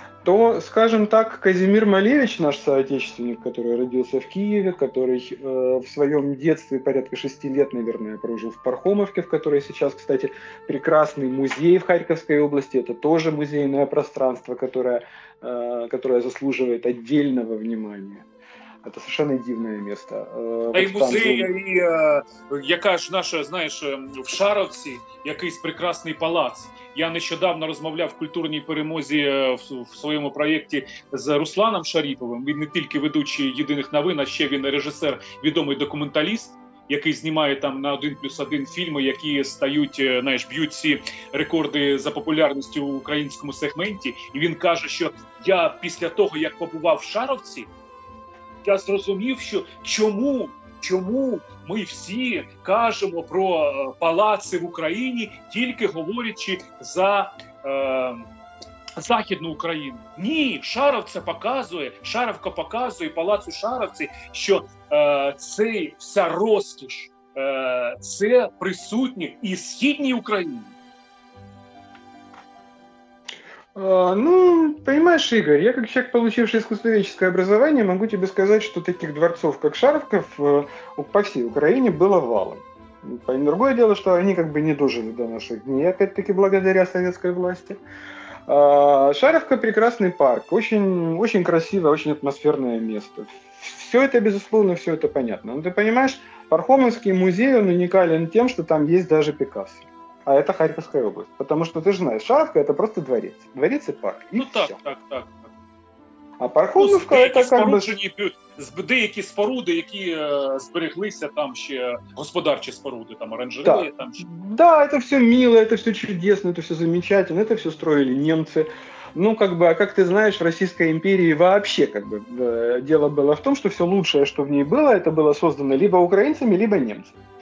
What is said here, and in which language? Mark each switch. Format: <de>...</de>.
<ru>То, скажем так, Казимир Малевич, наш соотечественник, который родился в Киеве, который в своем детстве порядка 6 лет, наверное, прожил в Пархомовке, в которой сейчас, кстати, прекрасный музей в Харьковской области, это тоже музейное пространство, которое заслуживает отдельного внимания. Это совершенно дивное место.</ru> <uk>Да, и музей, и яка ж наша, знаешь, в Шаровці, якийсь прекрасный палац. Я нещодавно розмовляв в культурній перемозі в своєму проєкті з Русланом Шаріповим. Він не тільки ведучий «Єдиних новин», а ще він режисер, відомий документаліст, який знімає там на 1+1 фільми, які стають, знаєш, б'ють ці рекорди за популярністю в українському сегменті. І він каже, що я після того, як побував в Шаровці, я зрозумів, що чому ми всі кажемо про палаци в Україні, тільки говорячи за Західну Україну. Ні, Шаровка показує палац у Шаровці, що це вся розкіш, це присутнє і Східній Україні.</uk> <ru>Ну, понимаешь, Игорь, я как человек, получивший искусствоведческое образование, могу тебе сказать, что таких дворцов, как Шаровков, по всей Украине было валом. Другое дело, что они как бы не дожили до наших дней, опять-таки, благодаря советской власти. Шаровка – прекрасный парк, очень, очень красивое, очень атмосферное место. Все это, безусловно, все это понятно. Но ты понимаешь, Пархомовский музей, он уникален тем, что там есть даже Пикассо. А это Харьковская область. Потому что, ты же знаешь, Шаровка – это просто дворец. Дворец и парк. И ну все. Так. А Пархомовка – это как бы…</ru> <uk>Деякі споруди, які збереглися там ще, господарчі споруди, там оранжереї. Да. Там ще…</uk> <ru>Да, это все мило, это все чудесно, это все замечательно, это все строили немцы. Ну, как бы, а как ты знаешь, в Российской империи вообще, как бы, дело было в том, что все лучшее, что в ней было, это было создано либо украинцами, либо немцами.</ru>